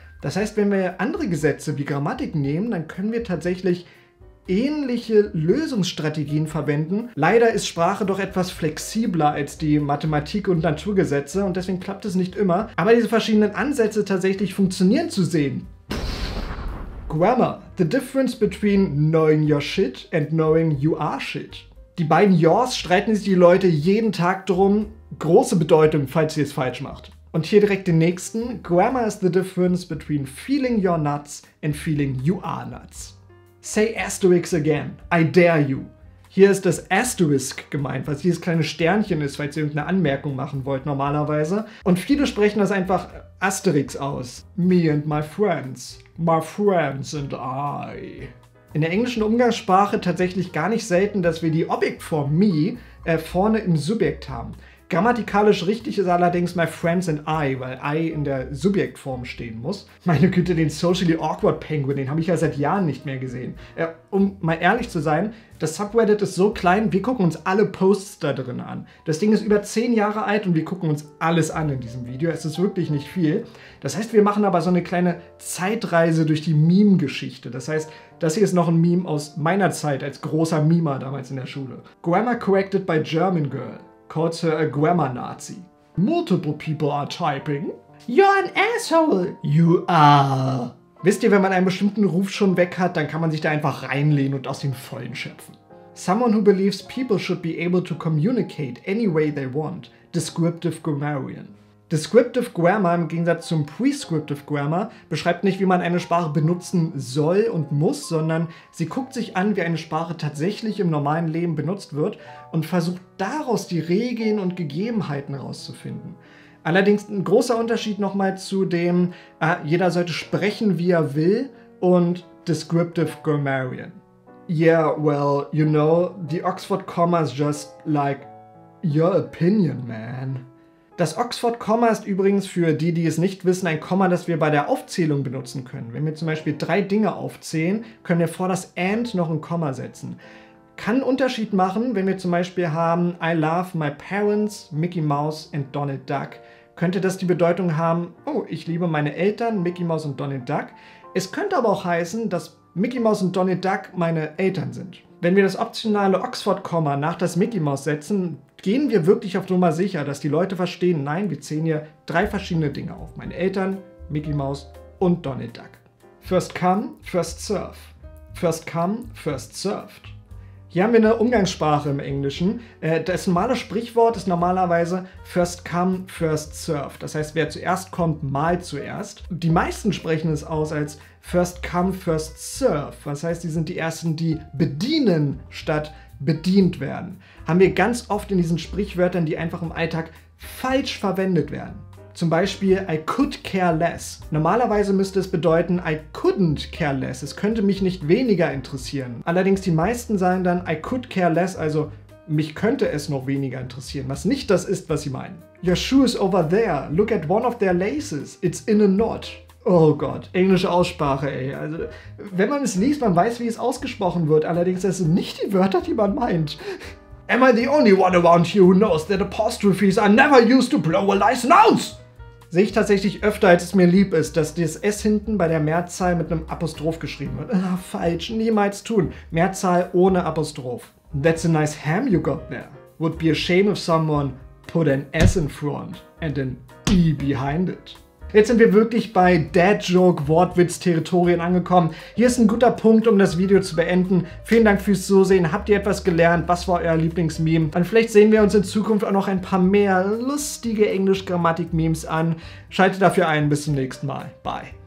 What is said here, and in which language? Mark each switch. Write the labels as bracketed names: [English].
[German] Das heißt, wenn wir andere Gesetze wie Grammatik nehmen, dann können wir tatsächlich ähnliche Lösungsstrategien verwenden. Leider ist Sprache doch etwas flexibler als die Mathematik und Naturgesetze und deswegen klappt es nicht immer. Aber diese verschiedenen Ansätze tatsächlich funktionieren zu sehen. [English] Grammar. The difference between knowing your shit and knowing you are shit. [German] Die beiden yours streiten sich die Leute jeden Tag drum. Große Bedeutung, falls sie es falsch macht. Und hier direkt den nächsten. [English] Grammar is the difference between feeling you're nuts and feeling you are nuts. Say asterisk again. I dare you. [German] Hier ist das Asterisk gemeint, was dieses kleine Sternchen ist, falls ihr irgendeine Anmerkung machen wollt normalerweise. Und viele sprechen das einfach Asterisk aus. [English] Me and my friends. My friends and I. [German] In der englischen Umgangssprache tatsächlich gar nicht selten, dass wir die Objektform me vorne im Subjekt haben. Grammatikalisch richtig ist allerdings [English] my friends and I, [German] weil I in der Subjektform stehen muss. Meine Güte, den socially awkward penguin, den habe ich ja seit Jahren nicht mehr gesehen. Um mal ehrlich zu sein, das Subreddit ist so klein, wir gucken uns alle Posts da drin an. Das Ding ist über 10 Jahre alt und wir gucken uns alles an in diesem Video. Es ist wirklich nicht viel. Das heißt, wir machen aber so eine kleine Zeitreise durch die Meme-Geschichte. Das heißt, das hier ist noch ein Meme aus meiner Zeit als großer Mimer damals in der Schule. [English] Grammar corrected by German girl. Calls her a grammar Nazi. Multiple people are typing. You're an asshole. You are. [German] Wisst ihr, wenn man einen bestimmten Ruf schon weg hat, dann kann man sich da einfach reinlehnen und aus den Vollen schöpfen. [English] Someone who believes people should be able to communicate any way they want. Descriptive grammarian. [German] Descriptive grammar im Gegensatz zum prescriptive grammar beschreibt nicht, wie man eine Sprache benutzen soll und muss, sondern sie guckt sich an, wie eine Sprache tatsächlich im normalen Leben benutzt wird und versucht daraus die Regeln und Gegebenheiten herauszufinden. Allerdings ein großer Unterschied nochmal zu dem, jeder sollte sprechen, wie er will und descriptive grammarian. [English] Yeah, well, you know, the Oxford comma is just like your opinion, man. [German] Das Oxford-Komma ist übrigens für die, die es nicht wissen, ein Komma, das wir bei der Aufzählung benutzen können. Wenn wir zum Beispiel drei Dinge aufzählen, können wir vor das and noch ein Komma setzen. Kann einen Unterschied machen, wenn wir zum Beispiel haben [English] I love my parents, Mickey Mouse and Donald Duck. [German] Könnte das die Bedeutung haben, oh, ich liebe meine Eltern, Mickey Mouse und Donald Duck. Es könnte aber auch heißen, dass Mickey Mouse und Donald Duck meine Eltern sind. Wenn wir das optionale Oxford-Komma nach das Mickey Mouse setzen, gehen wir wirklich auf Nummer sicher, dass die Leute verstehen, nein, wir zählen hier drei verschiedene Dinge auf. Meine Eltern, Mickey Mouse und Donald Duck. [English] First come, first serve. First come, first served. [German] Hier haben wir eine Umgangssprache im Englischen. Das normale Sprichwort ist normalerweise [English] first come, first served. [German] Das heißt, wer zuerst kommt, malt zuerst. Die meisten sprechen es aus als [English] first come, first serve. [German] Das heißt, die sind die Ersten, die bedienen statt bedient werden. Haben wir ganz oft in diesen Sprichwörtern, die einfach im Alltag falsch verwendet werden. Zum Beispiel, [English] I could care less. [German] Normalerweise müsste es bedeuten, [English] I couldn't care less. [German] Es könnte mich nicht weniger interessieren. Allerdings die meisten sagen dann, [English] I could care less, [German] also mich könnte es noch weniger interessieren, was nicht das ist, was sie meinen. [English] Your shoe is over there. Look at one of their laces. It's in a knot. [German] Oh Gott, englische Aussprache, ey. Also, wenn man es liest, man weiß, wie es ausgesprochen wird. Allerdings, das sind nicht die Wörter, die man meint. [English] Am I the only one around here who knows that apostrophes are never used to blow a license out? [German] Sehe ich tatsächlich öfter, als es mir lieb ist, dass das S hinten bei der Mehrzahl mit einem Apostroph geschrieben wird. Ach, falsch, niemals tun. Mehrzahl ohne Apostroph. [English] That's a nice ham you got there. Would be a shame if someone put an S in front and an E behind it. [German] Jetzt sind wir wirklich bei Dad-Joke-Wortwitz-Territorien angekommen. Hier ist ein guter Punkt, um das Video zu beenden. Vielen Dank fürs Zusehen. Habt ihr etwas gelernt? Was war euer Lieblingsmeme? Und vielleicht sehen wir uns in Zukunft auch noch ein paar mehr lustige Englisch-Grammatik-Memes an. Schaltet dafür ein. Bis zum nächsten Mal. Bye.